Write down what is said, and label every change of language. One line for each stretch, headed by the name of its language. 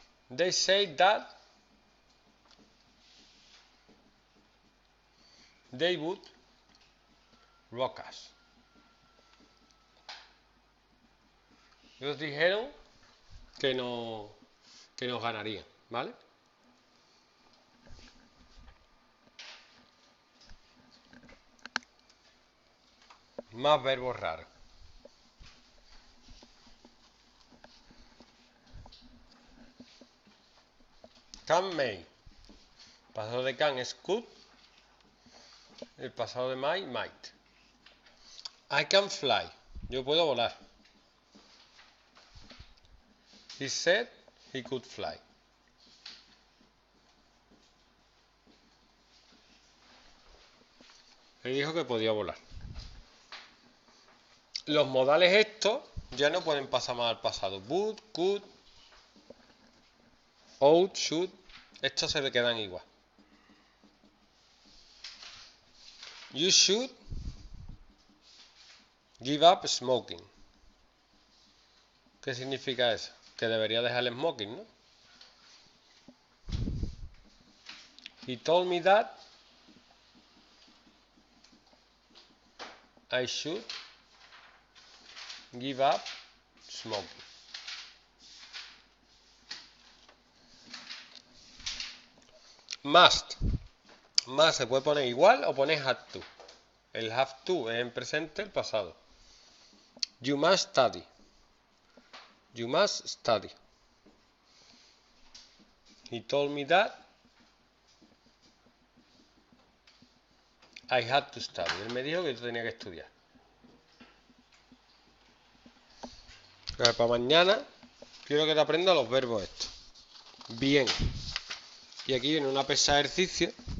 English: They say that they would rock us.
Spanish: Ellos dijeron que no, que nos ganarían, ¿vale? Más verbos raros.
English: Can may.
Spanish: Pasado de can es could. El pasado de might.
English: I can fly.
Spanish: Yo puedo volar.
English: He said he could fly.
Spanish: Él dijo que podía volar. Los modales estos ya no pueden pasar más al pasado.
English: Would, could, ought, should.
Spanish: Estos se le quedan igual.
English: You should give up smoking.
Spanish: ¿Qué significa eso? Que debería dejar el smoking,
English: He told me that I should give up smoking. Must.
Spanish: Must se puede poner igual o poner have to. El have to es en presente, el pasado.
English: You must study. You must study. He told me that I had to study.
Spanish: Él me dijo que yo tenía que estudiar. Pero para mañana quiero que te aprendas los verbos estos. Bien. Y aquí viene una pesa de ejercicio.